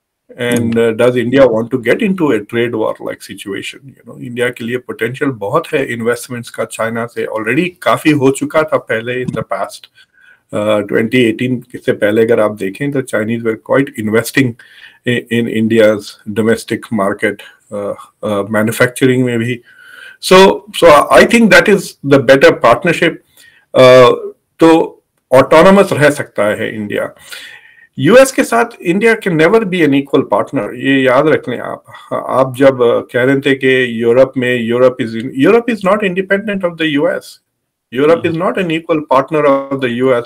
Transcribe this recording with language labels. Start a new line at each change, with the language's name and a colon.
English: And does India want to get into a trade war like situation?
Urdu: You know India کے لیے potential بہت ہے investments کا China سے, already کافی ہو چکا تھا پہلے ان دا پاسٹ 2018 سے پہلے اگر آپ دیکھیں تو Chinese where quite investing in India's domestic market, manufacturing میں بھی.
English: So I think that is the better partnership.
Urdu: تو آٹونومس رہ سکتا ہے انڈیا.
English: U S کے ساتھ India can never be an equal partner,
Urdu: یہ یاد رکھ لیں آپ. آپ جب کہہ رہے تھے کہ
English: Europe is not independent of the U S, Europe is not an equal partner of the US.